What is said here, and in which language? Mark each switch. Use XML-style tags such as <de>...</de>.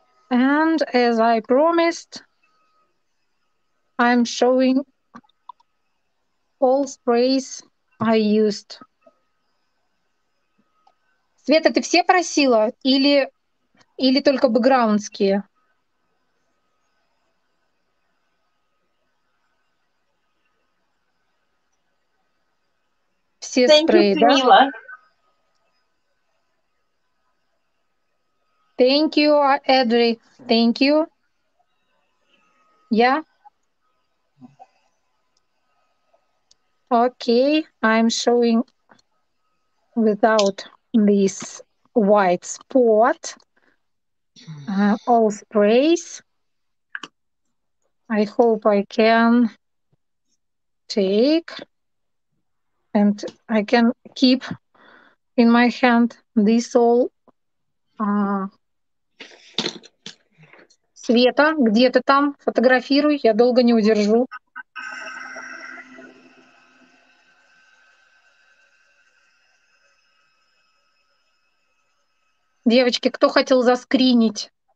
<en>And as I promised, I'm showing all sprays I used.</en> <ru>Света, ты все просила? Или только бэкграундские? Все спреи, да?</ru> <en>Thank you, Эдри. Thank you. Yeah? Okay, I'm showing without this white spot, all sprays. I hope I can take and I can keep in my hand this all.</en> <ru>Света, где ты там? Фотографируй, я долго не удержу. Девочки, кто хотел заскринить?</ru>